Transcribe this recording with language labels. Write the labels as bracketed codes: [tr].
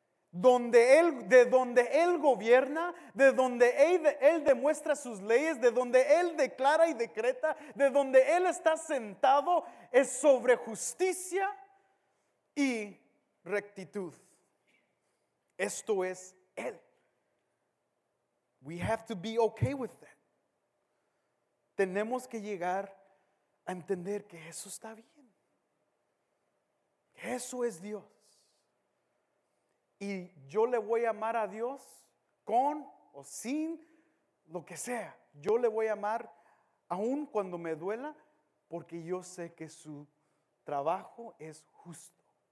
[es] De donde Él gobierna, de donde Él demuestra sus leyes, de donde Él declara y decreta, de donde Él está sentado, es sobre justicia y rectitud. Esto es Él. [en] We have to be okay with that. [es] Tenemos que llegar a entender que eso está bien. Eso es Dios. Y yo le voy a amar a Dios con o sin lo que sea, yo le voy a amar aun cuando me duela, porque yo sé que su trabajo es justo.